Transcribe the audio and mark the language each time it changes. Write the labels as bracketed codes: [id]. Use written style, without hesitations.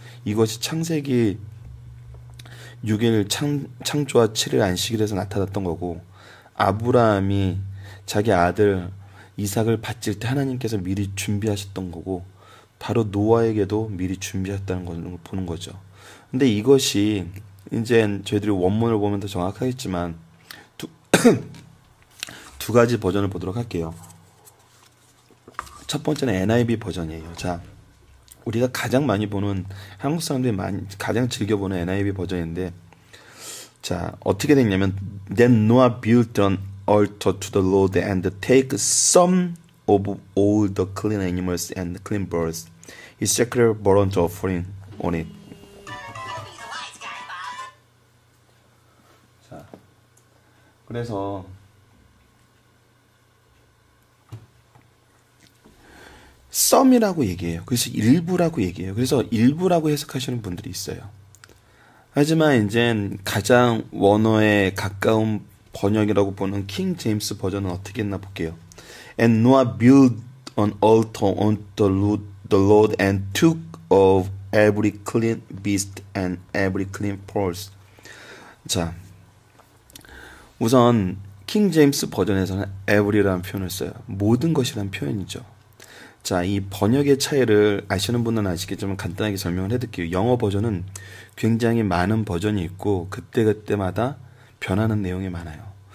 [ko] 이것이 창세기 6일 창조와 7일 안식일에서 나타났던 거고 아브라함이 자기 아들 이삭을 바칠 때 하나님께서 미리 준비하셨던 거고 바로 노아에게도 미리 준비했다는 것을 보는 거죠. 근데 이것이 이제 저희들이 원문을 보면 더 정확하겠지만 두 가지 버전을 보도록 할게요. 첫 번째는 NIV 버전이에요. 자, 우리가 가장 많이 보는 한국 사람들이 가장 즐겨 보는 NIV 버전인데, 자, 어떻게 됐냐면 [en] Then Noah built an altar to the Lord and take some of all the clean animals and clean birds. He sacrificed burnt offering on it. [ko] 그래서 썸이라고 얘기해요. 그래서 일부라고 얘기해요. 그래서 일부라고 해석하시는 분들이 있어요. 하지만 이젠 가장 원어에 가까운 번역이라고 보는 킹 제임스 버전은 어떻게 했나 볼게요. [en] And Noah built an altar unto the Lord and took of every clean beast and every clean pulse. [ko] 자, 우선 킹 제임스 버전에서는 every라는 표현을 써요. 모든 것이란 표현이죠. 자, 이 번역의 차이를 아시는 분은 아시겠지만 간단하게 설명을 해드릴게요. 영어 버전은 굉장히 많은 버전이 있고 그때그때마다 변하는 내용이 많아요.